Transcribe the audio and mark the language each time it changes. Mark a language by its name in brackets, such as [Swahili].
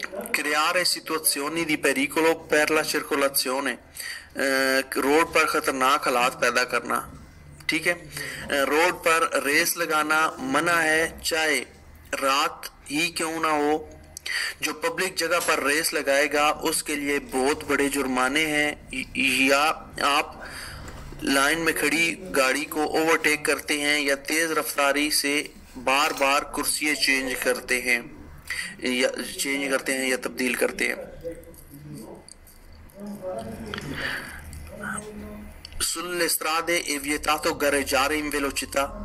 [Italian] Creare situazioni di pericolo per la circolazione. [Hindi] Road per khatarnak halat paida karna. ठीक है। Road पर race लगाना मना है, चाहे रात ही क्यों ना हो। जो पब्लिक जगह पर रेस लगाएगा उसके लिए बहुत बड़े जुर्माने हैं। या आप लाइन में खड़ी गाड़ी को ओवरटेक करते हैं, या तेज रफ्तारी से बार बार कुर्सियाँ चेंज करते हैं या तब्दील करते हैं। [Italian] Sulle strade è vietato gareggiare in velocità.